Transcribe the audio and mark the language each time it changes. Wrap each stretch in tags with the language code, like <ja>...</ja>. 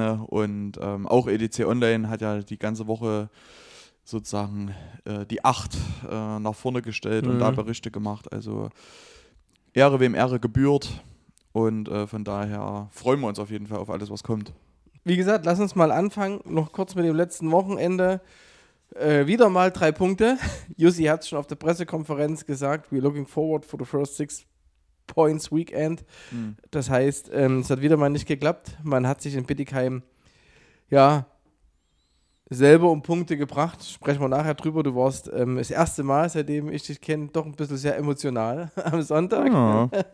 <de>Und auch EDC Online hat ja die ganze Woche sozusagen die 8 nach vorne gestellt und da Berichte gemacht. Also Ehre, wem Ehre gebührt. Und von daher freuen wir uns auf jeden Fall auf alles, was kommt. Wie gesagt, lass uns mal anfangen. Noch kurz mit dem letzten Wochenende. Wieder mal 3 Punkte. Jussi hat es schon auf der Pressekonferenz gesagt.</de> <en>We're looking forward for the first 6 points weekend.</en> <de>Das heißt, es hat wieder mal nicht geklappt. Man hat sich in Bittigheim selber um Punkte gebracht. Sprechen wir nachher drüber. Du warst das erste Mal, seitdem ich dich kenne, doch ein bisschen sehr emotional am Sonntag. Ja.</de>